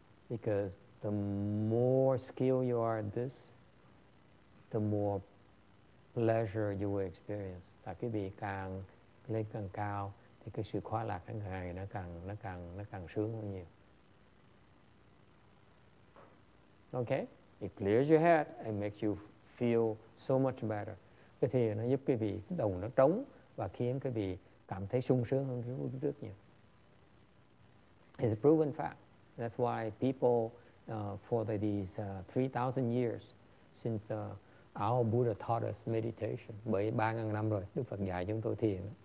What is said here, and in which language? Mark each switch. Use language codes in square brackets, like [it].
[en] Because the more skilled you are at this, the more pleasure you will experience. [vi] Tại quý vị càng lên càng cao thì cái sự khoái lạc càng ngày nó càng sướng hơn nhiều. [en] Okay, it clears your head and makes you feel so much better. [vi] Cái thiền nó giúp quý vị đầu nó trống và khiến quý vị cảm thấy sung sướng hơn rất nhiều. [en] It's a proven fact. That's why people for these 3,000 years since the our Buddha taught us meditation. [vi] Bởi 3,000 năm rồi, Đức Phật dạy chúng tôi thiền.